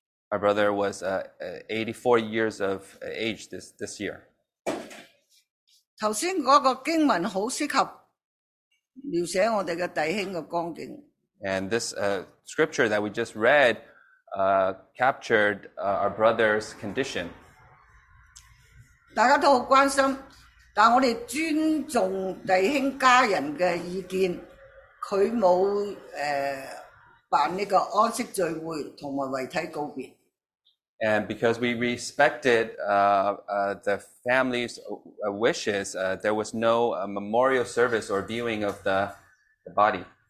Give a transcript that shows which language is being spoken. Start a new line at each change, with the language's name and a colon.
English: Our brother was 84 years of age this year.
Chinese: 剛才那個經文很適合描寫我們的弟兄的光景。
English: And this scripture that we just read captured our brother's condition.
Chinese: 大家都很關心,但我們尊重弟兄家人的意見,他沒有辦這個安息聚會和遺體告別。
English: And because we respected the family's wishes, there was no memorial service or viewing of the body.